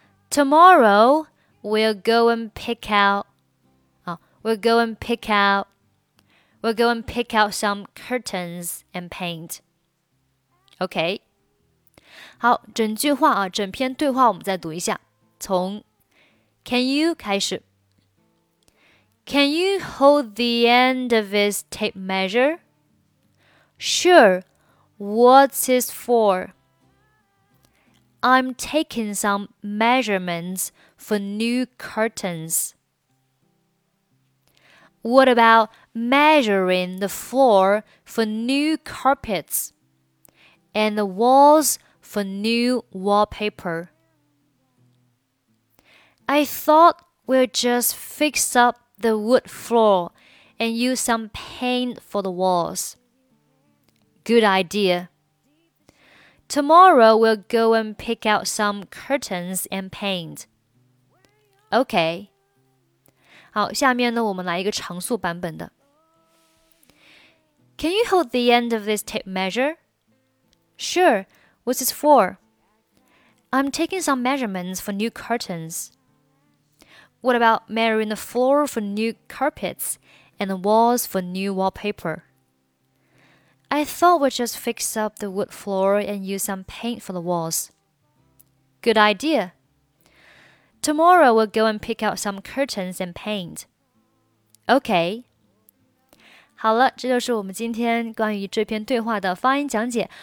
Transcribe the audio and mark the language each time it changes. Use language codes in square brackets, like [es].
[en] Tomorrow we'll go and pick out、we'll go and pick outWe'll go and pick out some curtains and paint. Okay. [zh] 好，整句话啊，整篇对话我们再读一下。从 Can you 开始。 [en] Can you hold the end of his tape measure? Sure. What's this for? I'm taking some measurements for new curtains. What aboutmeasuring the floor for new carpets and the walls for new wallpaper. I thought we'll just fix up the wood floor and use some paint for the walls. Good idea. Tomorrow we'll go and pick out some curtains and paint. Okay. [zh] 好，下面呢，我们来一个长速版本的。 [en] Can you hold the end of this tape measure? Sure, what's this for? I'm taking some measurements for new curtains. What about measuring the floor for new carpets and the walls for new wallpaper? I thought we'd just fix up the wood floor and use some paint for the walls. Good idea. Tomorrow we'll go and pick out some curtains and paint. Okay. [zh] 好了，这就是我们今天关于这篇对话的发音讲解。